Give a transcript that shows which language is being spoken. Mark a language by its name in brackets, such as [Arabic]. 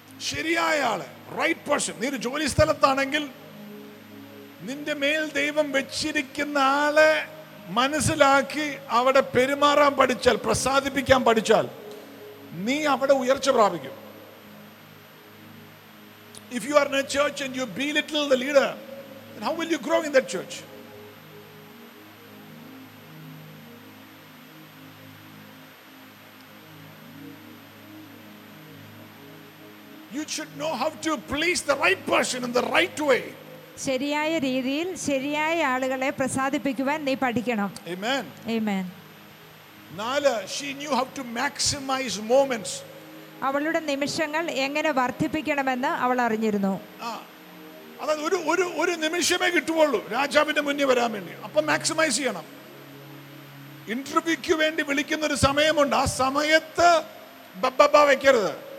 [Malayalam] ശരിയായ ആളെ, right person. നീ ഒരു ജോലി സ്ഥലത്താണെങ്കിൽ നിന്റെ മേൽ ദൈവം വെച്ചിരിക്കുന്ന ആളെ മനസ്സിലാക്കി അവിടെ പെരുമാറാൻ പഠിച്ചാൽ, പ്രസാദിപ്പിക്കാൻ പഠിച്ചാൽ, നീ അവിടെ ഉയർച്ച പ്രാപിക്കും. [English] If you are in a church and you belittle the leader, then how will you grow in that church? You should know how to please the right person in the right way. [Malayalam] ശരിയായി രീതിയിൽ ശരിയായ ആളുകളെ പ്രസാദിപ്പിക്കാൻ നീ പഠിക്കണം. [English] Amen. Amen. 4, she knew how to maximize moments. [Malayalam] അവളുടെ നിമിഷങ്ങൾ എങ്ങനെ വർദ്ധിപ്പിക്കണമെന്ന് അവൾ അറിഞ്ഞിരുന്നു. അതായത് ഒരു ഒരു ഒരു നിമിഷമേ കിട്ടുവുള്ളൂ രാജാവിന്റെ മുന്നിൽ വരാൻ വേണ്ടി. അപ്പൊ മാക്സിമൈസ് ചെയ്യണം. ഇന്റർവ്യൂക്ക് വേണ്ടി വിളിക്കുന്ന ഒരു സമയമുണ്ട്, ആ സമയത്ത് ബബ്ബാ വെക്കരുത്.